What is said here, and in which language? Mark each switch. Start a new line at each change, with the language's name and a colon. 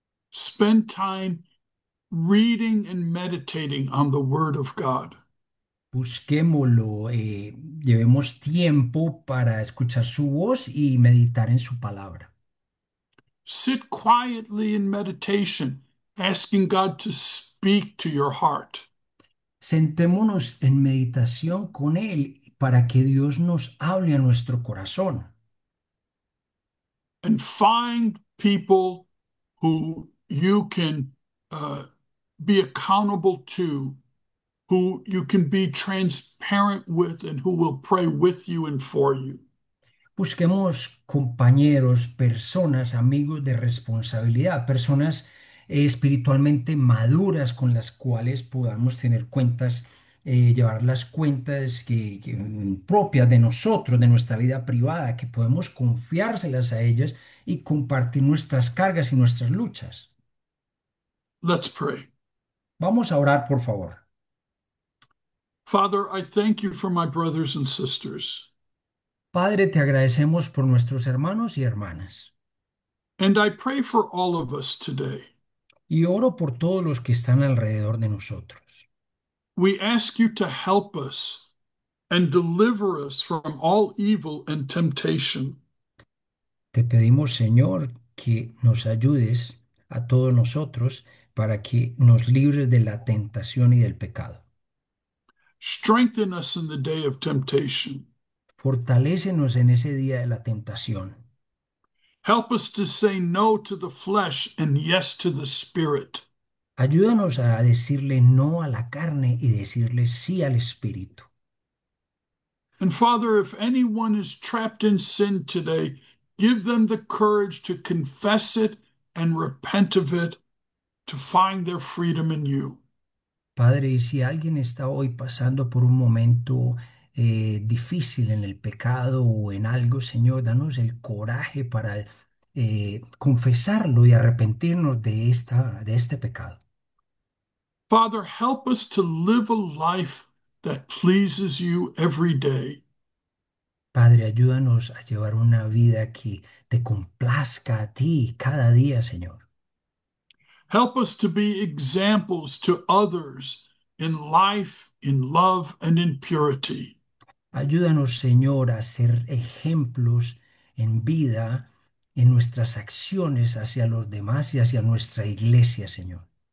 English: Spend time reading and meditating on the Word of God.
Spanish: Busquémoslo, llevemos tiempo para escuchar su voz y meditar en su palabra.
English: Sit quietly in meditation, asking God to speak to your heart.
Spanish: Sentémonos en meditación con Él para que Dios nos hable a nuestro corazón.
English: And find people who you can be accountable to, who you can be transparent with, and who will pray with you and for you.
Spanish: Busquemos compañeros, personas, amigos de responsabilidad, personas espiritualmente maduras con las cuales podamos tener cuentas, llevar las cuentas propias de nosotros, de nuestra vida privada, que podemos confiárselas a ellas y compartir nuestras cargas y nuestras luchas.
English: Let's pray.
Spanish: Vamos a orar, por favor.
English: Father, I thank you for my brothers and sisters.
Spanish: Padre, te agradecemos por nuestros hermanos y hermanas.
English: And I pray for all of us today.
Spanish: Y oro por todos los que están alrededor de nosotros.
English: We ask you to help us and deliver us from all evil and temptation.
Spanish: Te pedimos, Señor, que nos ayudes a todos nosotros para que nos libres de la tentación y del pecado.
English: Strengthen us in the day of temptation.
Spanish: Fortalécenos en ese día de la tentación.
English: Help us to say no to the flesh and yes to the spirit.
Spanish: Ayúdanos a decirle no a la carne y decirle sí al espíritu.
English: And Father, if anyone is trapped in sin today, give them the courage to confess it and repent of it to find their freedom in you.
Spanish: Padre, y si alguien está hoy pasando por un momento difícil en el pecado o en algo, Señor, danos el coraje para confesarlo y arrepentirnos de este pecado.
English: Father, help us to live a life that pleases you every day.
Spanish: Padre, ayúdanos a llevar una vida que te complazca a ti cada día, Señor.
English: Help us to be examples to others in life, in love, and in purity.
Spanish: Ayúdanos, Señor, a ser ejemplos en vida, en nuestras acciones hacia los demás y hacia nuestra iglesia, Señor.